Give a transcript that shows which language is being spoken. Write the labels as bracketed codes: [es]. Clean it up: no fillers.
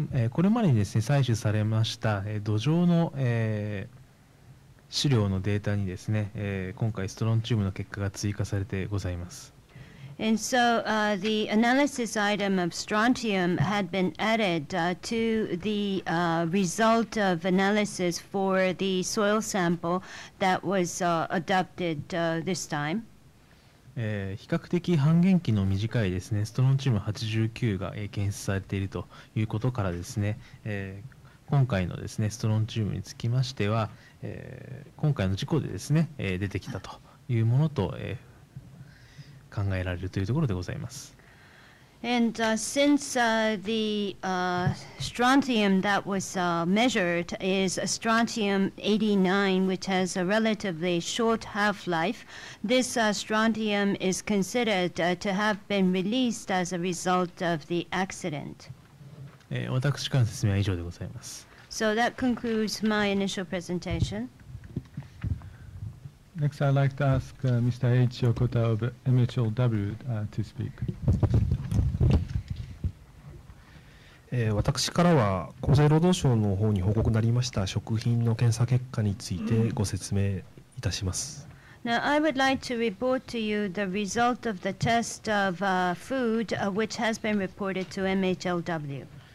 [ja] これまでにですね、採取されました土壌の資料のデータにですね、今回ストロンチウムの結果が追加されてございます。 [en] And so the analysis item of strontium had been added to the result of analysis for the soil sample that was adopted this time. [ja] 比較的半減期の短いですね、ストロンチウム89が検出されているということからですね、今回のですね、ストロンチウムにつきましては、今回の事故でですね、出てきたというものと考えられるというところでございます。 [en] And since the strontium that was measured is strontium 89, which has a relatively short half-life, this strontium is considered to have been released as a result of the accident. [ja] 私からの説明は以上でございます。 [en] So that concludes my initial presentation. Next, I'd like to ask Mr. H. Yokota of MHLW to speak. [ja] 私からは厚生労働省の方に報告になりました食品の検査結果についてご説明いたします。 [en] Now, I would like to report to you the result of the test of food, which has been reported to MHLW.